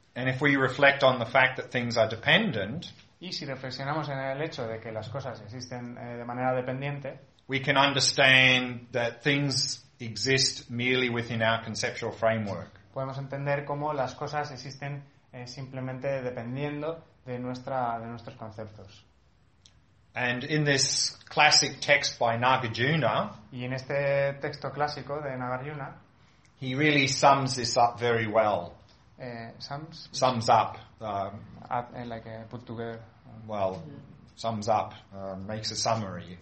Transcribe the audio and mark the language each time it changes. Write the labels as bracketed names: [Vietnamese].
[English] And if we reflect on the fact that things are dependent, [Spanish] y si reflexionamos en el hecho de que las cosas existen de manera dependiente, [English] we can understand that things exist merely within our conceptual framework. [Spanish] Podemos entender cómo las cosas existen simplemente dependiendo de nuestra de nuestros conceptos. [English] And in this classic text by Nagarjuna, [Spanish] y en este texto clásico de Nagarjuna, [English] he really sums this up very well. Sums up. Like put together. Well, sums up, makes a summary.